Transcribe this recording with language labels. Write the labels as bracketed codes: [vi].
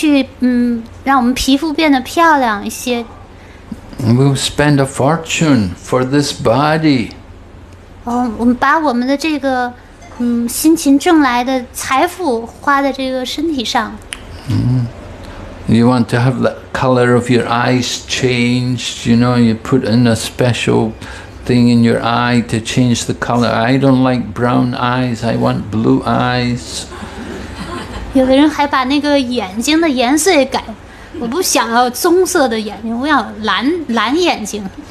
[zh] 我们去美容院，我们去做美甲，然后我们去让我们皮肤变得漂亮一些。 [en] We'll spend a fortune for this body. [zh] 我们把我们的这个辛勤挣来的财富花在这个身体上。 [en] You want to have the color of your eyes changed, you know, you put in a special thing in your eye to change the color. I don't like brown eyes, I want blue eyes. [zh] 有的人还把那个眼睛的颜色也改。我不想要棕色的眼睛，我要蓝眼睛。